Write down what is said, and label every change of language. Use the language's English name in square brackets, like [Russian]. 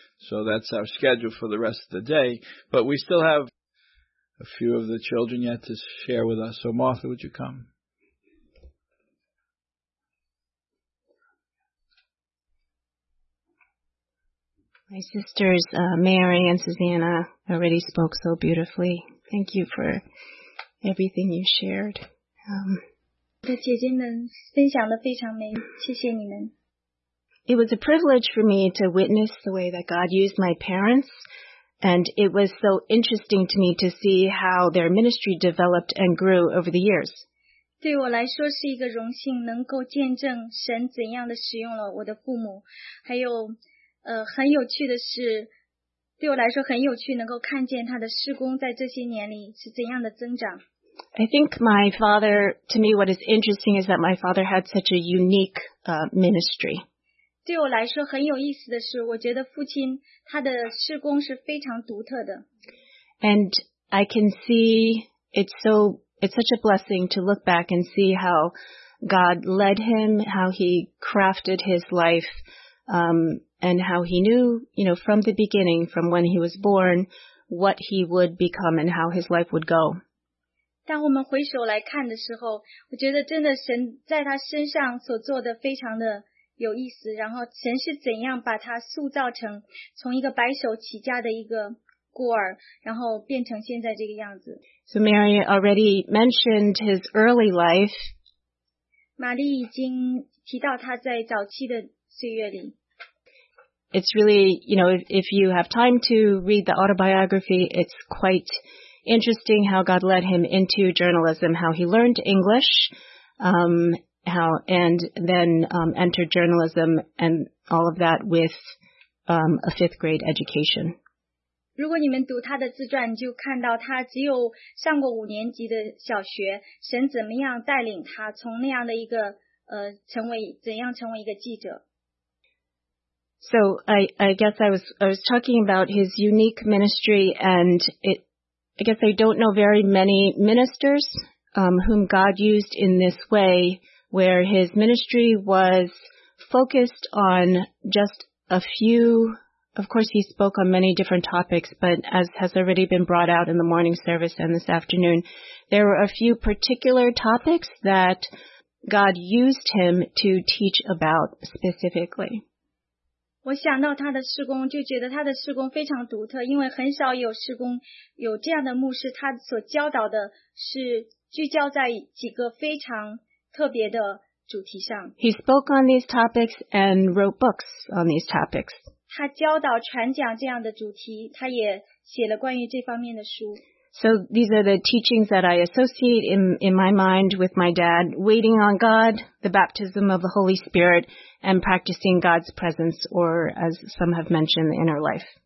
[English] So that's our schedule for the rest of the day. But we still have a few of the children yet to share with us. So, Martha, would you come? My sisters, Mary and Susanna, already spoke so beautifully. Thank you for everything you shared. [Chinese] 的姐姐们分享得非常美，谢谢你们。 [English] It was a privilege for me to witness the way that God used my parents, and it was so interesting to me to see how their ministry developed and grew over the years. [Chinese] 对我来说是一个荣幸，能够见证神怎样的使用了我的父母，还有很有趣的是，对我来说很有趣，能够看见他的事工在这些年里是怎样的增长。 [English] I think my father, to me, what is interesting is that my father had such a unique, ministry. [Chinese] 对我来说很有意思的是，我觉得父亲他的事工是非常独特的。 [English] And I can see it's such a blessing to look back and see how God led him, how he crafted his life, And how he knew, you know, from the beginning, from when he was born, what he would become and how his life would go. [Chinese] 当我们回首来看的时候，我觉得真的神在他身上所做的非常的有意思，然后神是怎样把他塑造成从一个白手起家的一个孤儿，然后变成现在这个样子。 [English] So Mary already mentioned his early life. [Chinese] 玛丽已经提到他在早期的岁月里。 [English] It's really, you know, if you have time to read the autobiography, it's quite interesting how God led him into journalism, how he learned English, and then entered journalism and all of that with a fifth grade education. [Chinese] 如果你们读他的自传，就看到他只有上过五年级的小学，神怎么样带领他从那样的一个成为怎样成为一个记者。 [English] So I guess I was talking about his unique ministry, and I guess I don't know very many ministers, whom God used in this way, where his ministry was focused on just a few. Of course, he spoke on many different topics, but as has already been brought out in the morning service and this afternoon, there were a few particular topics that God used him to teach about specifically. [Chinese] 我想到他的事工就觉得他的事工非常独特,因为很少有事工有这样的牧师,他所教导的是聚焦在几个非常特别的主题上。 [English] He spoke on these topics and wrote books on these topics. [Chinese] 他教导传讲这样的主题,他也写了关于这方面的书。 [English] So these are the teachings that I associate in my mind with my dad, waiting on God, the baptism of the Holy Spirit, and practicing God's presence, or as some have mentioned, the inner life.